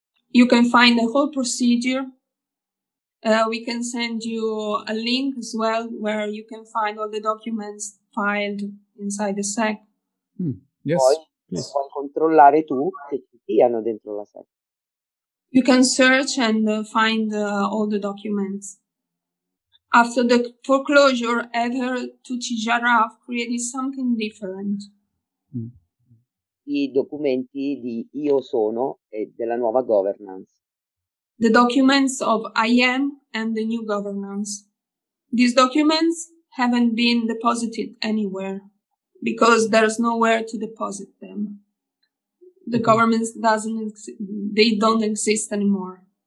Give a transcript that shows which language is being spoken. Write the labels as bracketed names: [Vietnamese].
[English] You can find the whole procedure. We can send you a link as well where you can find all the documents filed inside the SEC. Mm. Yes. [Italian] Puoi controllare tu che ci siano dentro la SEC. [English] You can search and find all the documents. After the foreclosure, Ether Tucci Jarraf created something different. Mm. [Italian] I documenti di Io Sono e della nuova governance. [English] The documents of I Am and the new governance. These documents haven't been deposited anywhere because there's nowhere to deposit them. The governments don't exist anymore.